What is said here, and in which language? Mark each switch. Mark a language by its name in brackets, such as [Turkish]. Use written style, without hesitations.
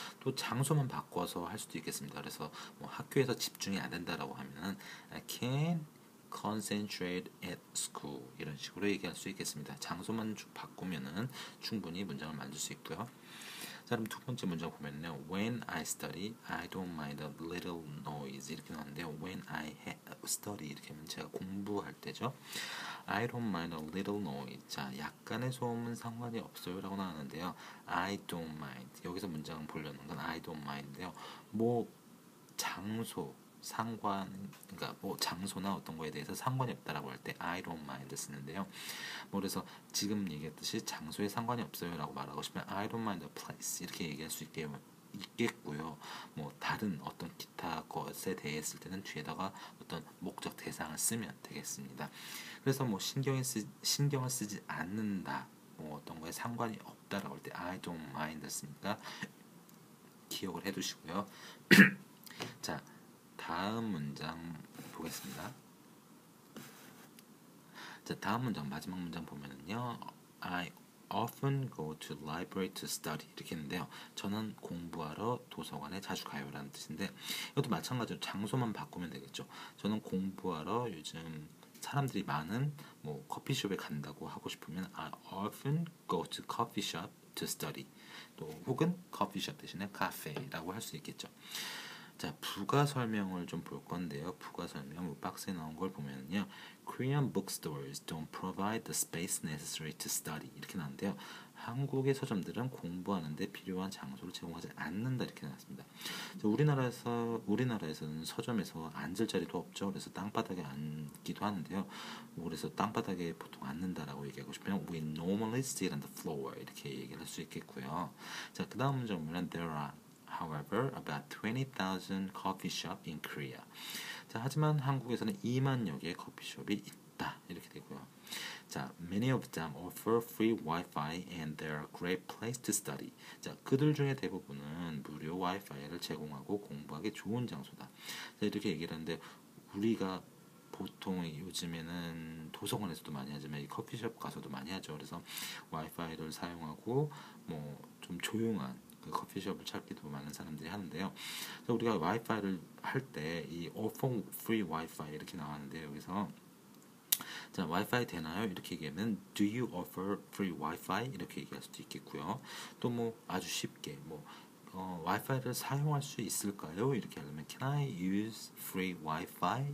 [Korean] 또 장소만 바꿔서 할 수도 있겠습니다. 그래서 뭐 학교에서 집중이 안 된다라고 하면은 [English] I can't concentrate at school [Korean] 이런 식으로 얘기할 수 있겠습니다. 장소만 쭉 바꾸면은 충분히 문장을 만들 수 있고요. 자, 그럼 두 번째 문장 보면요. [English] When I study, I don't mind a little noise. [Korean] 이렇게 나왔는데요. [English] When I study, [Korean] 이렇게 하면 제가 공부할 때죠. [English] I don't mind a little noise. [Korean] 자, 약간의 소음은 상관이 없어요라고 나왔는데요. [English] I don't mind. [Korean] 여기서 문장 보려는 건 [English] I don't mind [Korean] 인데요. 뭐, 장소, 상관, 그러니까 뭐, 장소나 어떤 거에 대해서 상관이 없다라고 할 때, I don't mind 쓰는데요. 뭐, 그래서 지금 얘기했듯이 장소에 상관이 없어요라고 말하고 싶으면, [English] I don't mind the place. [Korean] 이렇게 얘기할 수 있겠고요. 뭐, 다른 어떤 기타 것에 대해 했을 때는 뒤에다가 어떤 목적 대상을 쓰면 되겠습니다. 그래서 뭐, 신경을 쓰지 않는다. 뭐, 어떤 거에 상관이 없다라고 할 때, [English] I don't mind [Korean] 쓰니까 기억을 해 두시고요. 자. 다음 문장 보겠습니다. 자, 다음 문장, 마지막 문장 보면은요. [English] I often go to library to study. [Korean] 이렇게 했는데요. 저는 공부하러 도서관에 자주 가요라는 뜻인데, 이것도 마찬가지로 장소만 바꾸면 되겠죠. 저는 공부하러 요즘 사람들이 많은 뭐 커피숍에 간다고 하고 싶으면 [English] I often go to coffee shop to study. [Korean] 또 혹은 커피숍 대신에 카페라고 할수 있겠죠. 자, 부가 설명을 좀볼 건데요. 부가 설명, 박스에 나온 걸 보면요. [English] Korean bookstores don't provide the space necessary to study. [Korean] 이렇게 나오는데요. 한국의 서점들은 공부하는데 필요한 장소를 제공하지 않는다. 이렇게 나왔습니다. 우리나라에서는 서점에서 앉을 자리도 없죠. 그래서 땅바닥에 앉기도 하는데요. 그래서 땅바닥에 보통 앉는다라고 얘기하고 싶으면 [English] We normally sit on the floor. [Korean] 이렇게 얘기를 할수 있겠고요. 자, 그 다음 문제 보면 [English] There are However, about 20,000 coffee shop in Korea. [Korean] 자, 하지만 한국에서는 2만여 개의 커피숍이 있다. 이렇게 되고요. [English] 자, many of them offer free Wi-Fi and they're a great place to study. [Korean] 자, 그들 중에 대부분은 무료 와이파이를 제공하고 공부하기 좋은 장소다. 자, 이렇게 얘기를 하는데 우리가 보통 요즘에는 도서관에서도 많이 하지만 커피숍 가서도 많이 하죠. 그래서 와이파이를 사용하고 뭐좀 조용한 그 커피숍을 찾기도 많은 사람들이 하는데요. 그래서 우리가 와이파이를 할때이 [English] offer free wifi [Korean] 이렇게 나왔는데 여기서 자, 와이파이 되나요? 이렇게 얘기하면 [English] do you offer free wifi? [Korean] 이렇게 얘기할 수도 있겠고요. 또뭐 아주 쉽게 뭐 와이파이를 사용할 수 있을까요? 이렇게 하려면 [English] can I use free wifi?